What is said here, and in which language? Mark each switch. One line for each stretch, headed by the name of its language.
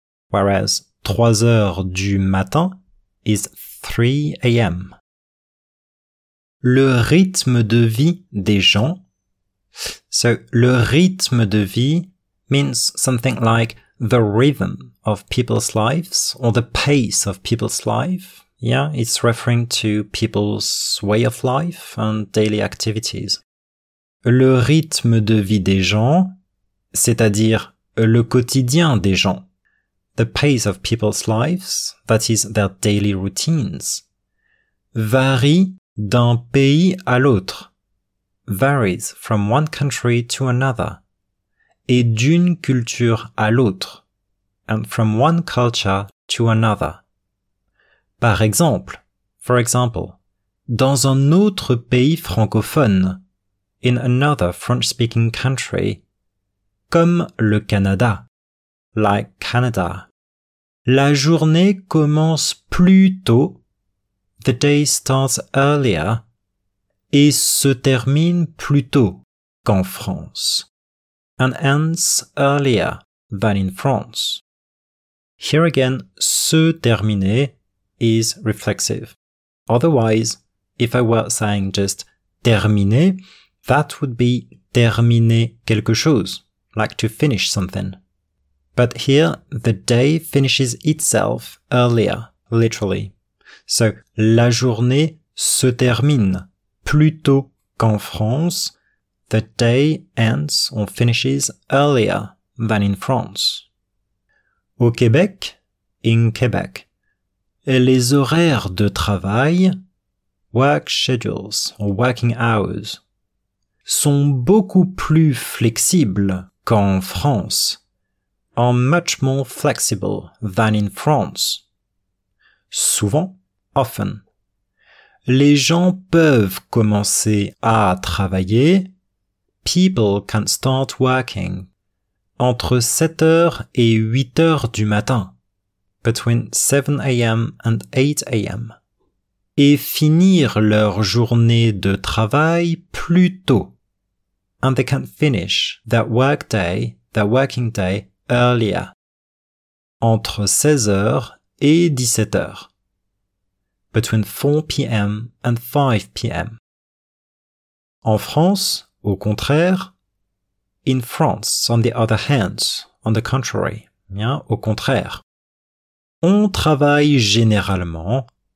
English: Whereas
French: 3h du matin
English: is 3 a.m.
French: Le rythme de vie des gens
English: So
French: le rythme de vie
English: means something like the rhythm of people's lives or the pace of people's life. Yeah, it's referring to people's way of life and daily activities.
French: Le rythme de vie des gens, c'est-à-dire le quotidien des gens.
English: The pace of people's lives, that is their daily routines,
French: varie d'un pays à l'autre,
English: varies from one country to another,
French: et d'une culture à l'autre,
English: and from one culture to another.
French: Par exemple, dans un autre pays francophone,
English: in another French-speaking country,
French: comme le Canada,
English: like Canada.
French: La journée commence plus tôt,
English: the day starts earlier,
French: et se termine plus tôt qu'en France,
English: and ends earlier than in France. Here again, se terminer is reflexive. Otherwise, if I were saying just terminer, that would be
French: terminer quelque chose,
English: like to finish something. But here, the day finishes itself earlier, literally. So,
French: la journée se termine plus tôt qu'en France.
English: The day ends or finishes earlier than in France.
French: Au Québec,
English: in Quebec,
French: les horaires de travail,
English: work schedules or working hours,
French: sont beaucoup plus flexibles qu'en France.
English: Are much more flexible than in France.
French: Souvent,
English: often,
French: les gens peuvent commencer à travailler,
English: people can start working,
French: entre 7h et 8h du matin,
English: between 7 a.m. and 8 a.m.
French: et finir leur journée de travail plus tôt,
English: and they can finish their working day earlier,
French: entre 16h et 17h,
English: between 4 p.m. and 5 p.m.
French: En France, au contraire,
English: in France, on the contrary,
French: bien, au contraire, on travaille généralement,